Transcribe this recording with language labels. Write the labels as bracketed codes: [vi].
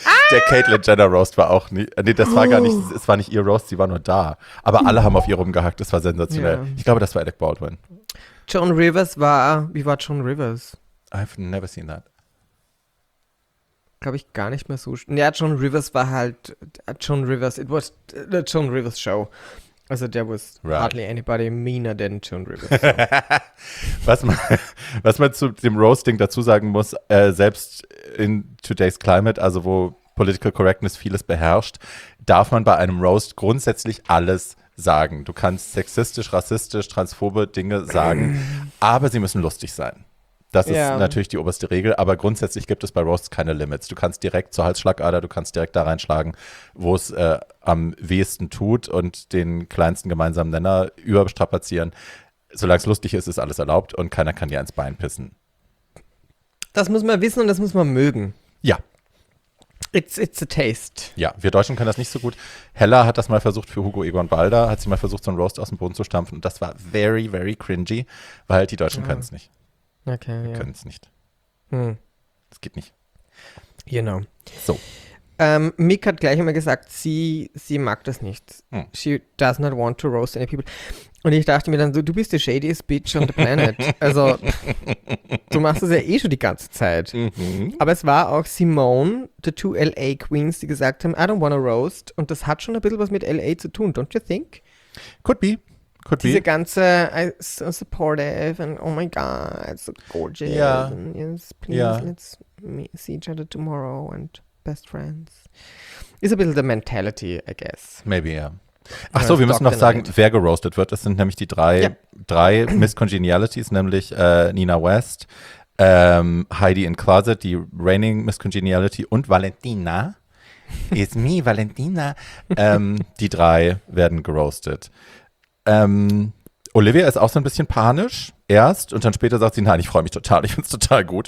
[de] Der Caitlyn Jenner Roast war auch nicht. Nee, das war gar nicht. Es war nicht ihr Roast, sie war nur da. Aber alle haben auf ihr rumgehackt. Das war sensationell. Yeah. Ich glaube, das war Alec Baldwin. Joan Rivers wie war Joan Rivers? [en] I've never seen that. [de] Glaube ich gar nicht mehr so. Joan Rivers war halt Joan Rivers. [en] It was the Joan Rivers Show. Also there was hardly anybody meaner than Joan Rivers. So. [de] Was man zu dem Roasting dazu sagen muss, selbst in [en] today's climate, [de] also wo Political Correctness vieles beherrscht, darf man bei einem Roast grundsätzlich alles sagen. Du kannst sexistisch, rassistisch, transphobe Dinge sagen, aber sie müssen lustig sein. Das ist natürlich die oberste Regel, aber grundsätzlich gibt es bei Roasts keine Limits. Du kannst direkt zur Halsschlagader, du kannst direkt da reinschlagen, wo es am wehesten tut und den kleinsten gemeinsamen Nenner überstrapazieren. Solange es lustig ist, ist alles erlaubt und keiner kann dir ins Bein pissen. Das muss man wissen und das muss man mögen. Ja. [en] It's a taste. [de] Ja, wir Deutschen können das nicht so gut. Hella hat das mal versucht für Hugo Egon Balder, hat sie mal versucht, so einen Roast aus dem Boden zu stampfen und das war [en] very, very cringy, [de] weil die Deutschen können es nicht. Okay, Können es nicht. Das geht nicht. Genau. So. Mick hat gleich immer gesagt, sie mag das nicht. [en] She does not want to roast any people. [de] Und ich dachte mir dann so, du bist [en] the shadiest bitch on the planet. [de] Also, du machst das ja eh schon die ganze Zeit. Mhm. Aber es war auch Simone, the two LA Queens, die gesagt haben, [en] I don't want to roast. [de] Und das hat schon ein bisschen was mit LA zu tun, [en] don't you think? Could be. [de] Diese ganze, [en] so supportive and oh my god, so gorgeous. Yeah. And yes, please, let's see each other tomorrow and best friends. It's a bit of the mentality, I guess. Maybe, yeah. [de] Ach so, wir müssen noch sagen, wer geroastet wird. Das sind nämlich die drei Miss Congenialities, nämlich Nina West, Heidi in Closet, die reigning Miss Congeniality und Valentina. [en] It's me, Valentina. [de] Die drei werden geroastet. Olivia ist auch so ein bisschen panisch erst und dann später sagt sie, nein, ich freue mich total, ich finde es total gut.